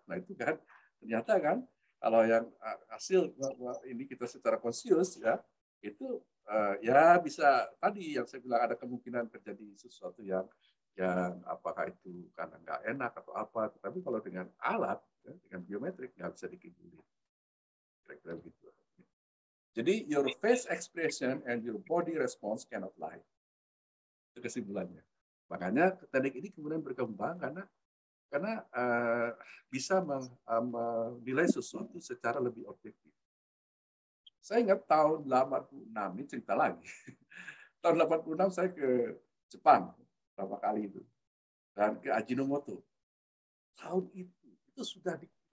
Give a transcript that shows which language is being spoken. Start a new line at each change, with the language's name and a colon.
Indonesian: Nah itu kan ternyata kan kalau yang hasil ini kita secara conscious ya itu ya bisa tadi yang saya bilang ada kemungkinan terjadi sesuatu yang apakah itu karena nggak enak atau apa, tapi kalau dengan alat ya, dengan biometrik nggak bisa dikibulin.
English: Jadi your face expression and your body response cannot lie.
Indonesian: Itu kesimpulannya. Makanya teknik ini kemudian berkembang karena bisa menilai sesuatu secara lebih objektif. Saya ingat tahun 86 ini cerita lagi. Tahun 86 saya ke Jepang beberapa kali itu dan ke Ajinomoto. Tahun itu sudah di